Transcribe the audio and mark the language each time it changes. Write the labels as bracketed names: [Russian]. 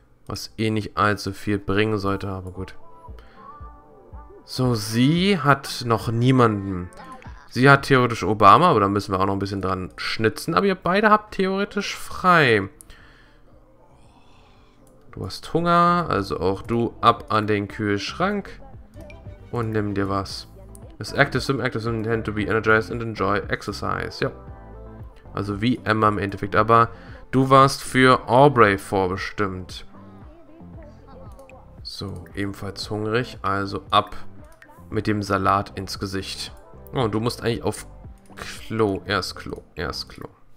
[German] Was eh nicht allzu viel bringen sollte, aber gut. So, sie hat noch niemanden. Sie hat theoretisch Obama, aber da müssen wir auch noch ein bisschen dran schnitzen. Aber ihr beide habt theoretisch frei. Du hast Hunger, also auch du ab an den Kühlschrank. Und nimm dir was. [English] Das Active Sim tend to be energized and enjoy exercise. [German] Ja. Also wie Emma im Endeffekt, aber du warst für Aubrey vorbestimmt. So, ebenfalls hungrig, also ab mit dem Salat ins Gesicht. Oh, und du musst eigentlich auf Klo, erst Klo, erst Klo.